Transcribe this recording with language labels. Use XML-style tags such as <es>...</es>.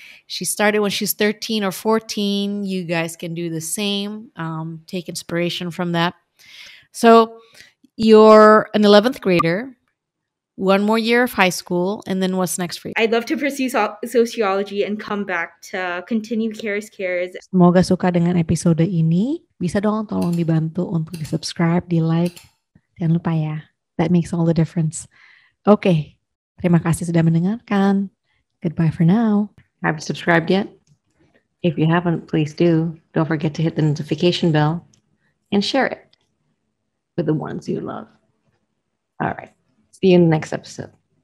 <en>She started when she's 13 or 14. You guys can do the same. Take inspiration from that. So you're an 11th grader, one more year of high school, and then what's next for you? I'd love to pursue sociology and come back to continue Carys Cares.</en> <id>Semoga suka dengan episode ini. Bisa dong tolong dibantu untuk di-subscribe, di-like. Jangan lupa ya.</id> <en>That makes all the difference. Okay.</en> <id>Terima kasih sudah mendengarkan.</id> <en>Goodbye for now. Have you subscribed yet? If you haven't, please do. Don't forget to hit the notification bell and share it with the ones you love. All right. See you in the next episode.</en>